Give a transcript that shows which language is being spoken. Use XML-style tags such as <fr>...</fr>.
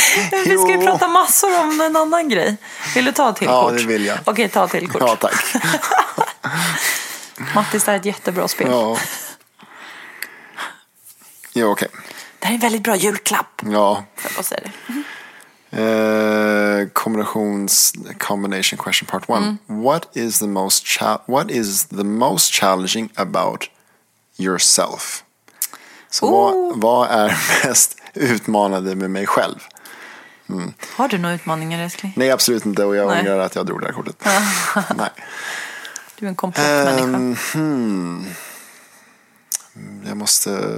<sv>Vi ska ju prata massor om en annan grej. Vill du ta ett till kort? Ja, det vill jag. Okej, ta ett till kort. Ja, tack. Mattis, det är ett jättebra spel. Ja. Ja, okej. Det här är en väldigt bra julklapp. Ja. För att säga det.</sv> <en>Combination question part one. Mm. What is the most challenging about yourself?</en> <sv>Så vad är mest utmanande med mig själv? Mm. Har du några utmaningar, älskling? Nej, absolut inte. Och jag ångrar att jag drog det här kortet. Nej. Du är en komplett människa.</sv>